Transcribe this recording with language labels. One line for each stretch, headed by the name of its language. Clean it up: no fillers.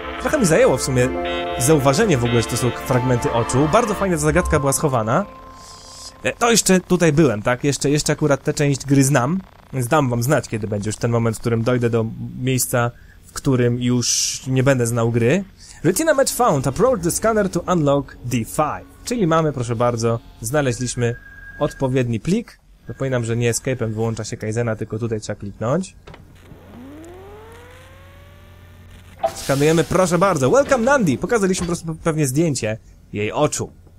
Polish: Trochę mi zajęło w sumie zauważenie w ogóle, że to są fragmenty oczu. Bardzo fajna ta zagadka była schowana. To jeszcze tutaj byłem, tak? Jeszcze akurat tę część gry znam. Więc dam wam znać, kiedy będzie już ten moment, w którym dojdę do miejsca, w którym już nie będę znał gry.
English: Retina match found. Approach the scanner to unlock D5.
Polish: Czyli mamy, proszę bardzo, znaleźliśmy odpowiedni plik. Zapominam, że nie escape'em wyłącza się Kaizena, tylko tutaj trzeba kliknąć. Skanujemy, proszę bardzo.
English: Welcome Nandi!
Polish: Pokazaliśmy po prostu pewnie zdjęcie jej oczu.